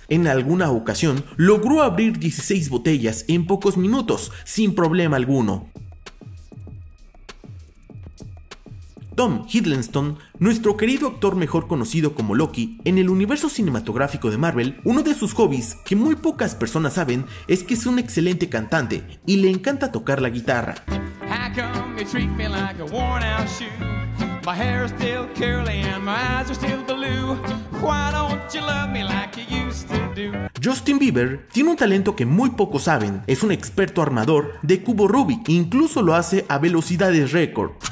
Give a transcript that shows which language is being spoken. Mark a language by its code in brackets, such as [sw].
[es] En alguna ocasión logró abrir 16 botellas en pocos minutos sin problema alguno. Tom Hiddleston, nuestro querido actor mejor conocido como Loki, en el universo cinematográfico de Marvel, uno de sus hobbies, que muy pocas personas saben, es que es un excelente cantante y le encanta tocar la guitarra. [en] How come they treat me like a worn out shoe? My hair is still curly and my eyes are still blue. Why don't you love me like you used to do? [es] Justin Bieber tiene un talento que muy pocos saben, es un experto armador de cubo Rubik, incluso lo hace a velocidades récord.